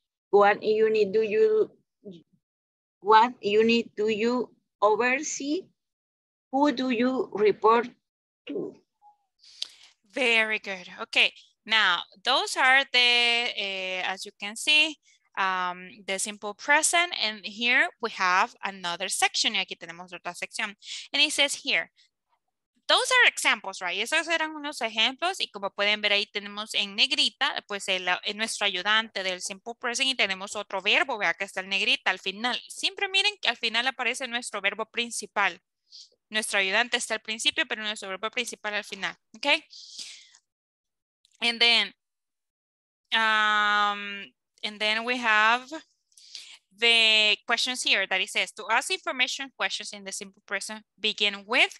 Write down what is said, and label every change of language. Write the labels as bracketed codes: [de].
[en] What unit do you oversee? Who do you report to? Very good. Okay. Now, those are the, as you can see, the simple present. And here we have another section. [es] Y aquí tenemos otra sección. [en] And it says here, those are examples, right? [es] Esos eran unos ejemplos. Y como pueden ver, ahí tenemos en negrita, pues en nuestro ayudante del simple present. Y tenemos otro verbo, vea que está en negrita al final. Siempre miren que al final aparece nuestro verbo principal. Nuestro ayudante está al principio, pero nuestro verbo principal al final. [en] Okay. And then we have the questions here that it says to ask information questions in the simple present begin with.